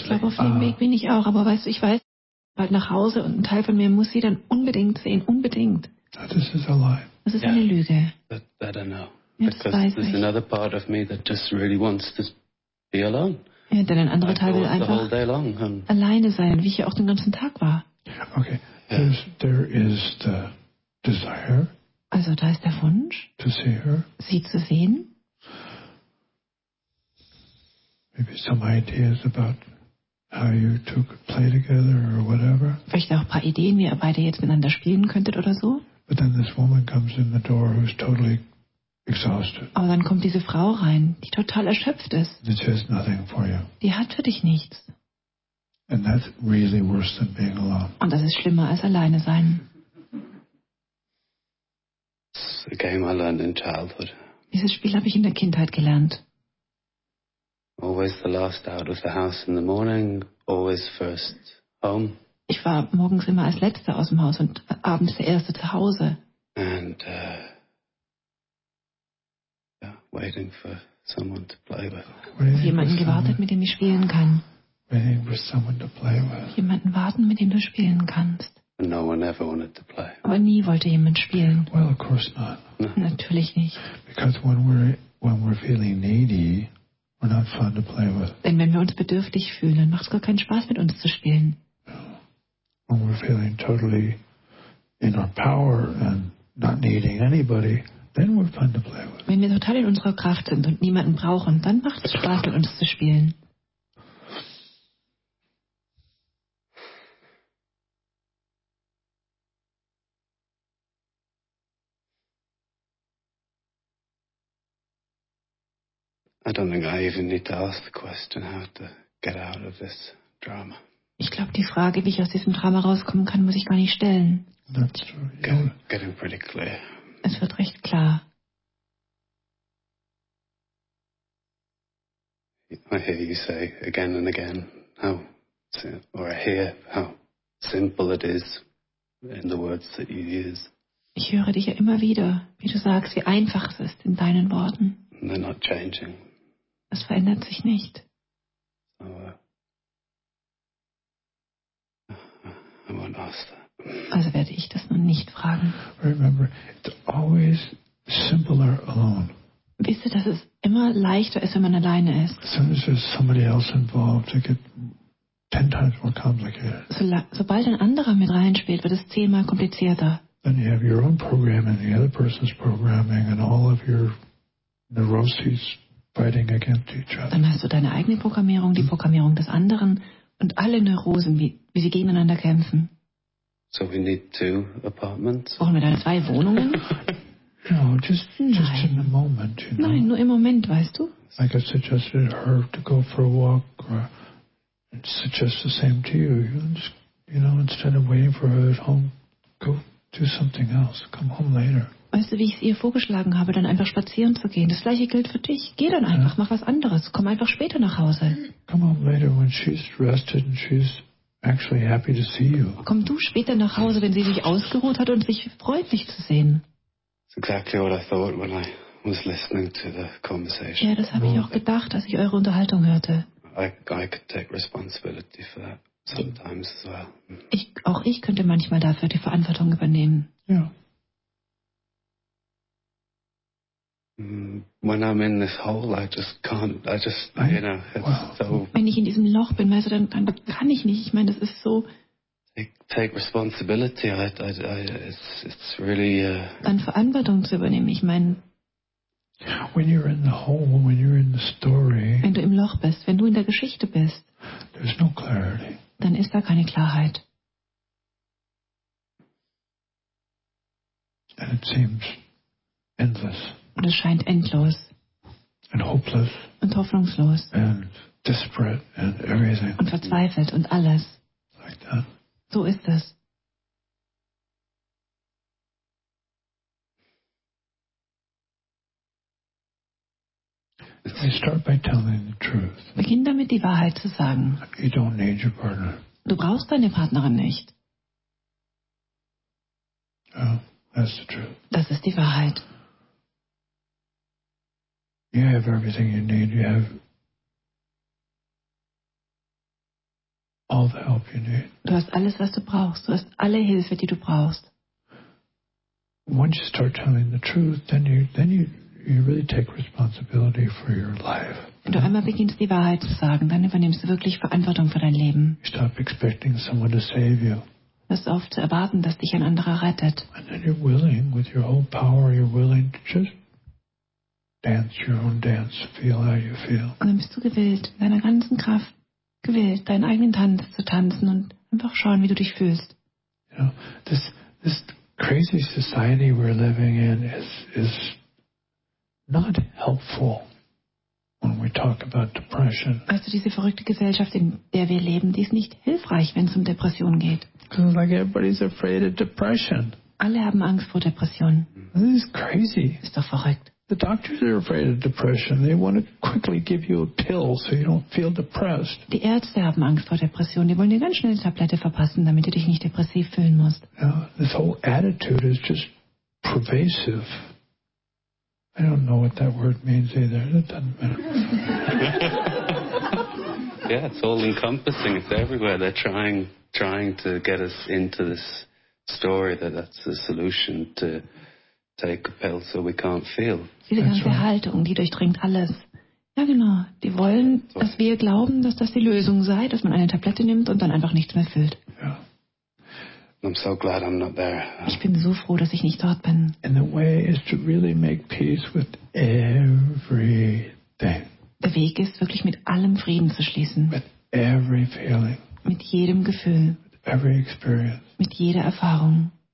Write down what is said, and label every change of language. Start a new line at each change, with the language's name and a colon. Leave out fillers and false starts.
German: Ich glaube, auf dem Weg bin ich auch, aber weißt du, ich weiß, bald nach Hause und ein Teil von mir muss sie dann unbedingt sehen, unbedingt.
English: This is a lie.
German: Das ist eine Lüge.
English: That I don't know.
German: Ja, das
English: because
German: weiß
English: there's
German: ich.
English: Another part of me that just really wants to be alone.
German: Ja, denn ein anderer Teil will einfach alleine sein, wie ich ja auch den ganzen Tag war.
English: Okay, there is the desire.
German: Also da ist der Wunsch,
English: to see her.
German: Sie zu sehen.
English: Maybe some ideas about how you two could play together or whatever.
German: Vielleicht auch ein paar Ideen, wie ihr beide jetzt miteinander spielen könntet oder so.
English: But then this woman comes in the door who's totally exhausted.
German: Aber dann kommt diese Frau rein, die total erschöpft ist.
English: She has nothing for you.
German: Die hat für dich nichts.
English: And that's really worse than being alone.
German: Und das ist schlimmer als alleine sein.
English: It's a game I learned in childhood.
German: Dieses Spiel habe ich in der Kindheit gelernt.
English: Always the last out of the house in the morning, always first home.
German: Ich war morgens immer als Letzter aus dem Haus und abends der Erste zu Hause.
English: And waiting for someone to play with.
German: Jemanden gewartet, mit dem ich spielen kann.
English: Waiting for someone to play with.
German: Jemanden warten, mit dem du spielen kannst.
English: And no one ever wanted to play.
German: Aber nie wollte jemand spielen.
English: Well, of course not. No.
German: Natürlich nicht.
English: Because when we're feeling needy, we're not fun to play with.
German: Denn wenn wir uns bedürftig fühlen, dann macht es gar keinen Spaß, mit uns zu spielen.
English: When we're feeling totally in our power and not needing anybody. Then we're fun to play with.
German: Wenn wir total in unserer Kraft sind und niemanden brauchen, dann macht es Spaß, mit uns zu spielen.
English: I don't think I even need to ask the question how to get out of this drama.
German: Ich glaube, die Frage, wie ich aus diesem Drama rauskommen kann, muss ich gar nicht stellen.
English: That's true. Yeah. Getting pretty clear.
German: Es wird recht klar.
English: I hear you say again and again how, or I hear how simple it is in the words that you use.
German: Ich höre dich ja immer wieder, wie du sagst, wie einfach es ist in deinen Worten.
English: And they're not changing.
German: Es verändert sich nicht.
English: So, I won't ask that.
German: Also werde ich das nun nicht fragen.
English: Remember, it's always simpler alone.
German: Wisst ihr, dass es immer leichter ist, wenn man alleine ist?
English: As soon as there's somebody else involved, it gets 10 times more complicated.
German: Sobald ein anderer mit reinspielt, wird es 10-mal komplizierter.
English: Then you have your own program and the other person's programming and all of your neuroses fighting against each other.
German: Dann hast du deine eigene Programmierung, die Programmierung des anderen und alle Neurosen, wie sie gegeneinander kämpfen.
English: So we need 2 apartments.
German: Brauchen wir dann 2 Wohnungen?
English: No, just in the moment, you know.
German: Nein, nur im Moment, weißt du?
English: Like I suggested her to go for a walk, or suggest the same to you. You know, instead of waiting for her at home, go do something else. Come home later.
German: Weißt du, wie ich es ihr vorgeschlagen habe, dann einfach spazieren zu gehen? Das gleiche gilt für dich. Geh dann einfach, mach was anderes. Komm einfach später nach Hause.
English: Come home later when she's rested and she's actually happy to see you.
German: Komm du später nach Hause, wenn sie sich ausgeruht hat und sich freut, dich zu sehen.
English: It's exactly what I thought when I was listening to the conversation.
German: Ja, das habe ich auch gedacht, als ich eure Unterhaltung hörte.
English: I could take responsibility for that sometimes as well.
German: Auch ich könnte manchmal dafür die Verantwortung übernehmen. Ja.
English: When I'm in this hole, I just can't, you know, it's wow. So...
German: Wenn ich in diesem Loch bin, weißt du, dann kann ich nicht. Ich meine, das ist so...
English: Take responsibility, it's really...
German: Dann Verantwortung zu übernehmen, ich meine...
English: When you're in the hole, when you're in the story...
German: Wenn du im Loch bist, wenn du in der Geschichte bist...
English: There's no clarity.
German: Dann ist da keine Klarheit.
English: And it seems endless.
German: Und es scheint endlos.
English: And hopeless.
German: Und hoffnungslos.
English: And desperate and everything.
German: Und verzweifelt und alles.
English: Like that.
German: So ist es.
English: We start by telling the truth.
German: Beginn damit, die Wahrheit zu sagen.
English: You don't need your partner.
German: Du brauchst deine Partnerin nicht.
English: Oh, that's the truth.
German: Das ist die Wahrheit.
English: You have everything you need. You have all the help you need.
German: Du hast alles, was du brauchst. Du hast alle Hilfe, die du brauchst.
English: Once you start telling the truth, then you really take responsibility for your life.
German: Wenn du einmal beginnst, die Wahrheit zu sagen, dann übernimmst du wirklich Verantwortung für dein Leben.
English: You stop expecting someone to save you.
German: Hörst auf zu erwarten, dass dich ein anderer rettet.
English: And then you're willing, with your own power, you're willing to just dance your own dance, feel how you feel.
German: Und dann bist du gewillt, in deiner ganzen Kraft gewillt, deinen eigenen Tanz zu tanzen und einfach schauen, wie du dich fühlst.
English: You know, this crazy society we're living in is not helpful when we talk about depression.
German: Also diese verrückte Gesellschaft, in der wir leben, die ist nicht hilfreich, wenn es um Depressionen geht.
English: Because like everybody's afraid of depression.
German: Alle haben Angst vor Depressionen.
English: This is crazy.
German: Ist doch verrückt.
English: The doctors are afraid of depression. They want to quickly give you a pill so you don't feel depressed.
German: Die Ärzte haben Angst vor Depression. Die wollen dir ganz schnell eine Tablette verpassen, damit du dich nicht depressiv fühlen musst.
English: Yeah, this whole attitude is just pervasive. I don't know what that word means either. It doesn't matter. Yeah, it's all encompassing. It's everywhere. They're trying to get us into this story that's the solution to... Take a pill so we can't feel.
German: Diese ganze Haltung, die durchdringt alles. Ja, genau. Die wollen, dass wir glauben, dass das die Lösung sei, dass man eine Tablette nimmt und dann einfach nichts mehr fühlt.
English: Yeah. I'm so glad I'm not there.
German: Ich bin so froh, dass ich nicht dort bin.
English: And the way is to really make peace with everything.
German: Der Weg ist, wirklich mit allem Frieden zu schließen.
English: With every feeling.
German: Mit jedem Gefühl.
English: With every experience.
German: Mit jeder Erfahrung.